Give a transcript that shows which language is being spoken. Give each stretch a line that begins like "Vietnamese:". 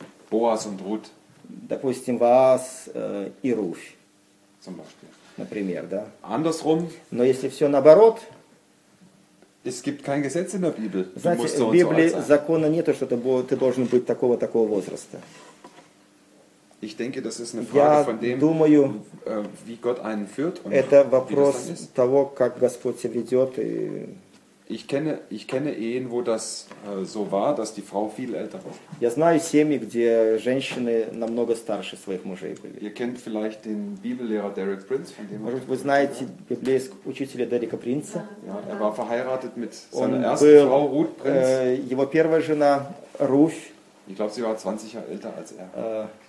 German: Боаз und Ruth.
Russian: Допустим, Боаз и Руфь.
German: Zum Beispiel.
Russian: Например, да.
German: Andersrum.
Russian: Но если все наоборот.
German: Es gibt kein Gesetz in der Bibel.
Russian: Знаете, в Библии закона нету, что ты должен быть такого-такого возраста.
German: Ich denke, das ist eine Frage von dem,
Russian: думаю,
German: wie Gott einen führt und
Russian: это вопрос
German: wie das dann ist.
Russian: Того, как Господь себя ведет и...
German: Ich kenne Ehen, wo das so war, dass die Frau viel älter war.
Russian: Я знаю семьи, где женщины намного старше своих мужей были.
German: Ihr kennt vielleicht den Bibellehrer Derek Prince, von
Russian: dem Может, вы знаете библейского учителя Дерека Принца?
German: Ja, er war verheiratet mit seiner ersten Frau Ruth
Russian: Prince. Его первая жена Руф.
German: Ich glaube, sie war 20 Jahre älter als er.